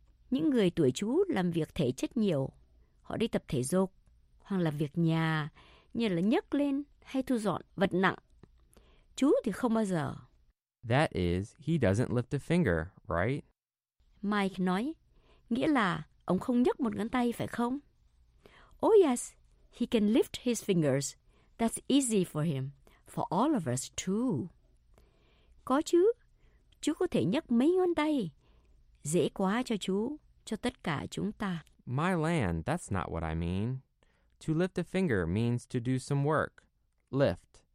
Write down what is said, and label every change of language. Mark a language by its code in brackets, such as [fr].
[vi] Những người tuổi chú làm việc thể chất nhiều. Họ đi tập thể dục, hoặc là việc nhà, như là nhấc lên hay thu dọn vật nặng. Chú thì không bao giờ. [en] That is, he doesn't lift a finger, right? [vi] Mike nói, nghĩa là ông không nhấc một ngón tay phải không? [en] Oh yes, he can lift his fingers. That's easy for him, for all of us too. [vi] Có chứ, chú có thể nhấc mấy ngón tay. Dễ quá cho chú, cho tất cả chúng ta. [en] My land, that's not what I mean. To lift a finger means to do some work. Lift,